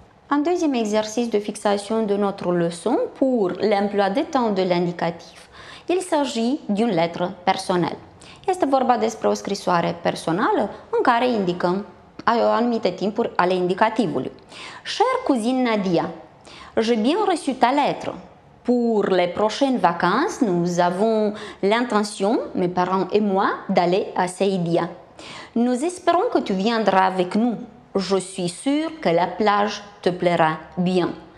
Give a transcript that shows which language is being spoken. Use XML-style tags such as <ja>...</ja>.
<fr>Un deuxième exercice de fixation de notre leçon pour l'emploi de temps de l'indicatif. Il s'agit d'une lettre personnelle.</fr> <ro>Este vorba despre o scrisoare personală în care indicăm anumite timpuri ale indicativului.</ro> <fr>Chère cousine Nadia, j'ai bien reçu ta lettre. Pour les prochaines vacances, nous avons l'intention, mes parents et moi, d'aller à Saïdia. Nous espérons que tu viendras avec nous. Je suis sûre que la plage te plaira bien.</fr>